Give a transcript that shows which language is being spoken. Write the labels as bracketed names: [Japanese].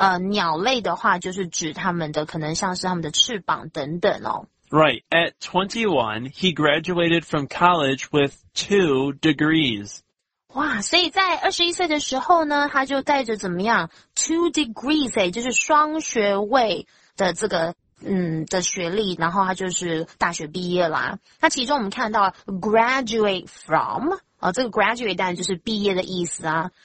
[Chinese] 鸟类的话就是指它们的可能像是它们的翅膀等等哦。 [English] Right, at 21, he graduated from college with 2 degrees. [Chinese] 哇，所以在21岁的时候呢，他就带着怎么样 ?2 degrees, 就是双学位的这个的学历，然后他就是大学毕业啦。那其中我们看到 graduate from, 这个 graduate 当然就是毕业的意思啊。